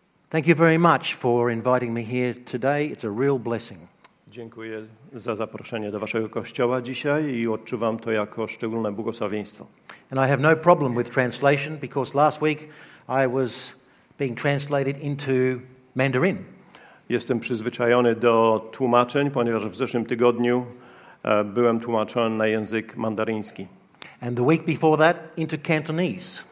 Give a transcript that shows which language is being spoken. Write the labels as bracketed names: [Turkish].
[English] Thank you very much for inviting me here today. It's a real blessing. [Polish] Dziękuję za zaproszenie do waszego kościoła dzisiaj i odczuwam to jako szczególne błogosławieństwo. [English] And I have no problem with translation because last week I was being translated into Mandarin. [Polish] Jestem przyzwyczajony do tłumaczeń, ponieważ w zeszłym tygodniu byłem tłumaczony na język mandaryński. [English] And the week before that into Cantonese.